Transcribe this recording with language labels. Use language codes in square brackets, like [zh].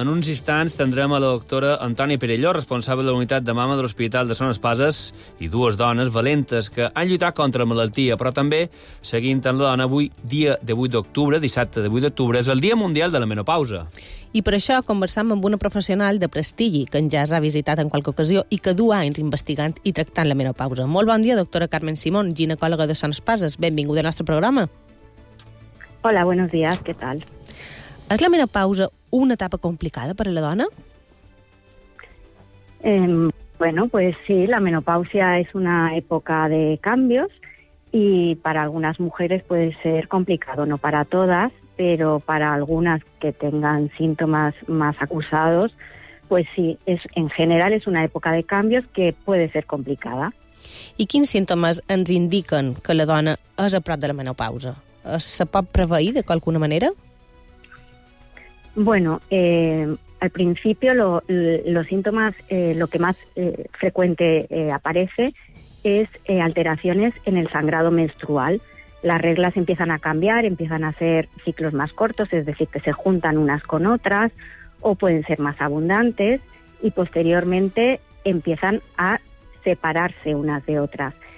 [ca] En uns instants tindrem a la doctora Antònia Perelló, responsable de la unitat de mama de l'Hospital de Son Espases, i dues dones valentes que han lluitat contra la malaltia, però també, seguint amb la dona, avui, dia 18 d'octubre, dissabte 18 d'octubre, és el Dia Mundial de la Menopausa. I per això conversam amb una professional de prestigi que en Jazz ha visitat en qualque ocasió i que du anys investigant i tractant la menopausa. Molt bon dia, doctora Carmen Simón, ginecòloga de Son Espases. Benvinguda al nostre programa. [es] Hola, buenos días, ¿qué tal? ¿Es la menopausa una etapa complicada para la dona? Bueno, pues sí, la menopausia es una época de cambios y para algunas mujeres puede ser complicado, no para todas, pero para algunas que tengan síntomas más acusados, pues sí, en general es una época de cambios que puede ser complicada. [ca] ¿Y quins símptomes ens indiquen que la dona és a prop de la menopausa? ¿Se pot preveir [es] de alguna manera? Bueno, al principio los síntomas, lo que más frecuente aparece es alteraciones en el sangrado menstrual. Las reglas empiezan a cambiar, empiezan a ser ciclos más cortos, es decir, que se juntan unas con otras o pueden ser más abundantes y posteriormente empiezan a separarse unas de otras.